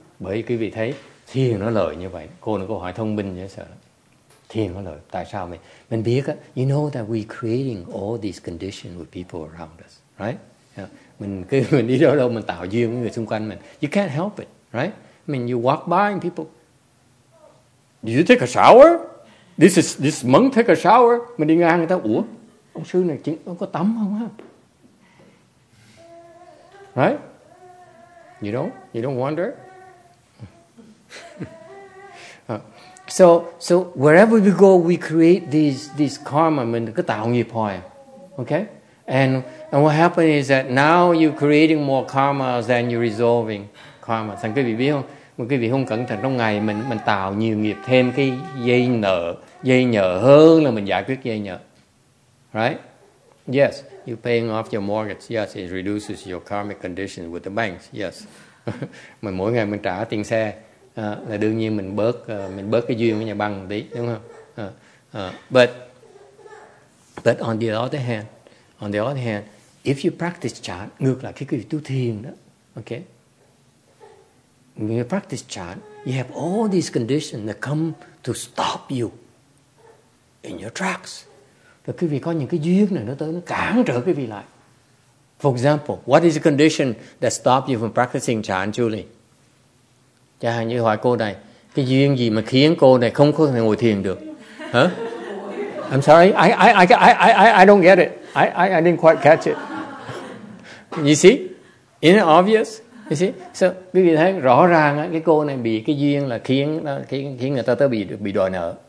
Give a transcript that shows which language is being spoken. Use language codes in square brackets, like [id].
[vi] Bởi quý vị thấy thiền nó lợi như vậy. Cô nó có hỏi thông minh như sợ. Thiền nó lợi. Tại sao mình biết á, [en] you know that we creating all these conditions with people around us, right? [vi] Mình đi đâu đâu mình tạo duyên với người xung quanh mình. [en] You can't help it, right? I mean, you walk by and people, did you take a shower? This monk take a shower? [vi] Mình đi ngang người ta, ủa, ông sư này chứng, ông có tắm không ha? [en] Right? You don't wonder? So wherever we go, we create this karma. [vi] Mình cứ tạo nghiệp hoài, okay? [en] And what happened is that now you're creating more karma than you're resolving karma. [vi] Thành quý vị biết không? Một quý vị không cẩn thận trong ngày mình tạo nhiều nghiệp thêm cái dây nợ hơn là mình giải quyết dây nợ. [en] Right? Yes. You paying off your mortgage. Yes. It reduces your karmic condition with the banks. Yes. [vi] Mình mỗi ngày mình trả tiền xe là đương nhiên mình bớt cái duyên với nhà băng một tí, đúng không? [en] But on the other hand. On the other hand, if you practice chant, [vi] ngược lại khi quý vị tu thiền đó, [en] okay? When you practice chant, you have all these conditions that come to stop you in your tracks. [vi] Rồi quý vị có những cái duyên này nó tới, nó cản trở quý vị lại. [en] For example, what is the condition that stops you from practicing chant, Julie? [vi] Chẳng hạn như hỏi cô này, cái duyên gì mà khiến cô này không có thể ngồi thiền được? [en] Huh? I'm sorry, I don't get it. I didn't quite catch it. You see? Isn't it obvious? You see? [vi] So, quý vị thấy rõ ràng cái cô này bị cái duyên là khiến người ta tới bị đòi nợ.